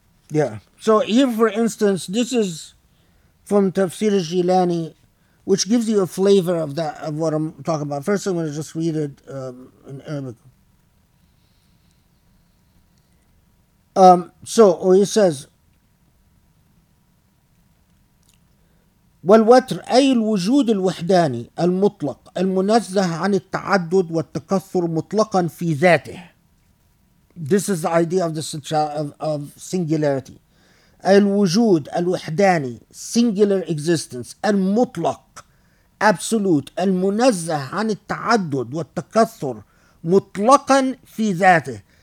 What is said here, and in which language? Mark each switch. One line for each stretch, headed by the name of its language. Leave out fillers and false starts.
English: Yeah. So here, for instance, this is from Tafsir al-Jilani, which gives you a flavor of that, of what I'm talking about. First, I'm going to just read it in Arabic. He says,
Arabic: والوتر أي الوجود الوحداني المطلق المنزه عن التعدد والتكثر مطلقا في ذاته.
English: This is the idea of the of singularity.
Arabic: الوجود الوحداني,
English: singular existence,
Arabic: المطلق,
English: absolute,
Arabic: المنزه عن التعدد والتكثر مطلقا في ذاته.